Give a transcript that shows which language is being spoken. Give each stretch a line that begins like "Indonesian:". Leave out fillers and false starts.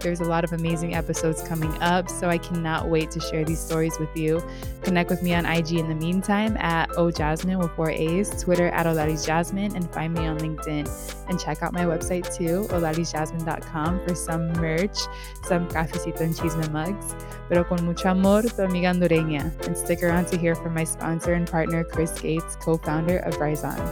English: There's a lot of amazing episodes coming up, so I cannot wait to share these stories with you. Connect with me on IG in the meantime at OJasmine with 4 A's, Twitter at Olalis Jasmine, and find me on LinkedIn. And check out my website too, olalisjasmine.com, for some merch, some Cafecito and Chisme mugs.
Spanish: Pero con mucho amor, tu amiga hondureña.
English: And stick around to hear from my sponsor and partner, Chris Gates, co-founder of Rizon.